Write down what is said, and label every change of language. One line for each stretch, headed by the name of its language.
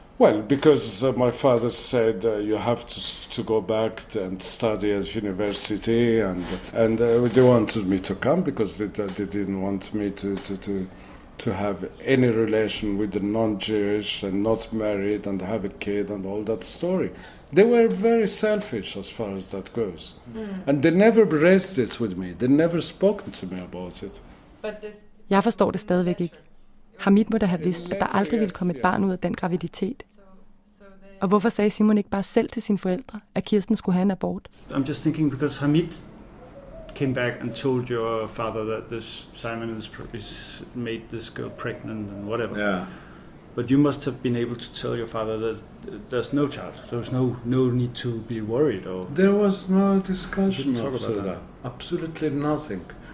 English: Well, because my father said you have to go back and study at university, and they wanted me to come because they didn't want me to have any relation with the non-Jewish and not married and have a kid and all that story. They were very selfish as far as that goes. And they never raised it with me. They never spoke to me about it.
Danish: Jeg forstår det stadigvæk ikke. Hamid må da have vidst, at der aldrig ville komme et barn ud af den graviditet. Og hvorfor sagde Simon ikke bare selv til sine forældre, at Kirsten skulle have en abort?
English: I'm just thinking because Hamid came back and told your father that this Simon has made this girl pregnant and whatever. Yeah. But you must have been able to tell your father that there's no child. There's no need to be worried. Or there was no discussion after that. Absolutely nothing.